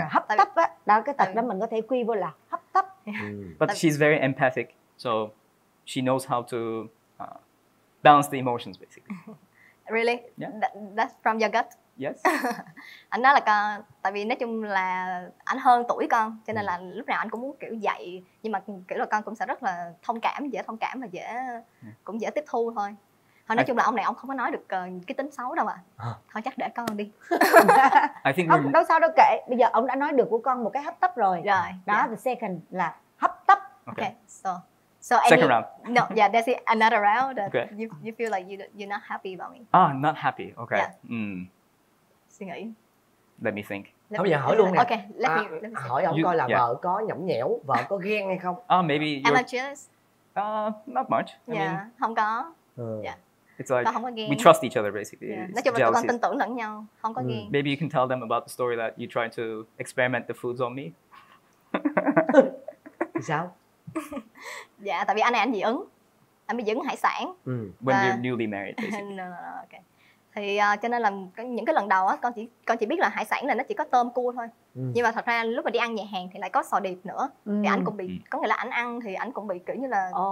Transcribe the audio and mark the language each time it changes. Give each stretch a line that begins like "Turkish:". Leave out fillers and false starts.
Vietnamese: Hấp tấp á, đó cái tật đó mình có thể quy vô là hấp tấp.
English: But she's very empathic, so she knows how to balance the emotions basically. Really? Yeah. That's from your gut? Yes.
Vietnamese: Anh nói là con, tại vì nói chung là anh hơn tuổi con, cho nên là lúc nào anh cũng muốn kiểu dạy, nhưng mà kiểu là con cũng sẽ rất là dễ thông cảm và cũng dễ tiếp thu thôi. Thôi nói chung là ông này ông không có nói được cái tính xấu đâu ạ. Thôi chắc để con đi. Không, đâu sao đâu kệ. Bây giờ ông đã nói được của con một cái hấp tấp rồi. Rồi. Đó,
English: the second
Vietnamese: là hấp tấp.
English: Okay. So second round. No, yeah, there's another round that you feel like you're not happy about me. Oh, not happy. Okay. Yeah.
Vietnamese: Suy nghĩ.
English: Let me think.
Vietnamese: Thôi bây giờ hỏi luôn nè.
English: Okay, let me
Vietnamese: hỏi ông coi là vợ có nhõng nhẽo, vợ có ghen hay không?
English: Oh, maybe you're... Am I jealous? Not much. Yeah,
Vietnamese: không có.
English: It's like we trust each other basically.
Vietnamese: Nói chung là tụi con tin tưởng lẫn nhau, không có ghen.
English: Maybe you can tell them about the story that you tried to experiment the foods on me.
Vietnamese: Sao? Dạ, tại vì anh này anh dị ứng. Anh bị dị ứng hải sản.
English: When you're newly married basically. Okay.
Vietnamese: Thì cho nên là những cái lần đầu á con chỉ biết là hải sản là nó chỉ có tôm cua thôi. Nhưng mà thật ra lúc mà đi ăn nhà hàng thì lại có sò điệp nữa. Thì anh cũng bị có nghĩa là anh ăn thì anh cũng bị kiểu như là